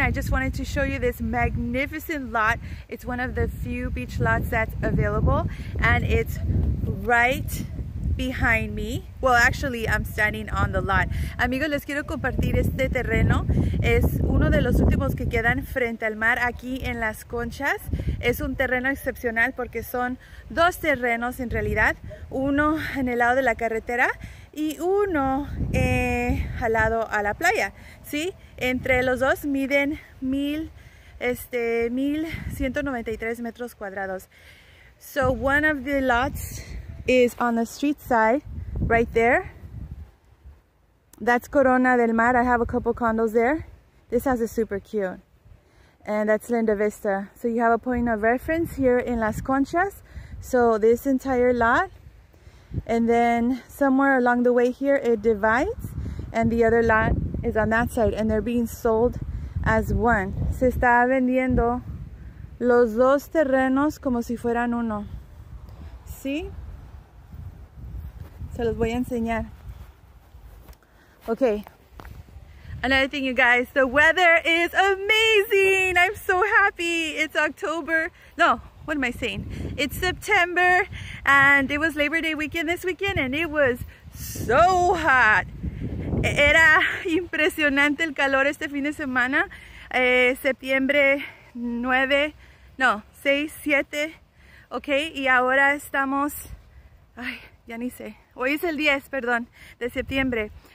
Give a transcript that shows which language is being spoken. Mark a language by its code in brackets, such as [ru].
[en] I just wanted to show you this magnificent lot. It's one of the few beach lots that's available and it's right behind me. Well, actually, I'm standing on the lot. [es] Amigos, les quiero compartir este terreno. Es uno de los últimos que quedan frente al mar aquí en Las Conchas. Es un terreno excepcional porque son dos terrenos en realidad. Uno en el lado de la carretera y uno al lado a la playa, ¿sí? Entre los dos miden 1,193 metros cuadrados. [en] So one of the lots is on the street side, right there. That's Corona del Mar. I have a couple condos there. This house is super cute. And that's Linda Vista. So you have a point of reference here in Las Conchas. So this entire lot. And then somewhere along the way here, it divides. And the other lot is on that side. And they're being sold as one. [es] Se está vendiendo los dos terrenos como si fueran uno. ¿Sí? Se los voy a enseñar. [en] Okay. Another thing, you guys. The weather is amazing. I'm so happy. It's October. No, what am I saying? It's September. And it was Labor Day weekend this weekend. And it was so hot. [es] Era impresionante el calor este fin de semana. Septiembre 9. No, 6, 7. Okay. Y ahora estamos... Ay, ya ni sé. Hoy es el 10, perdón, de septiembre.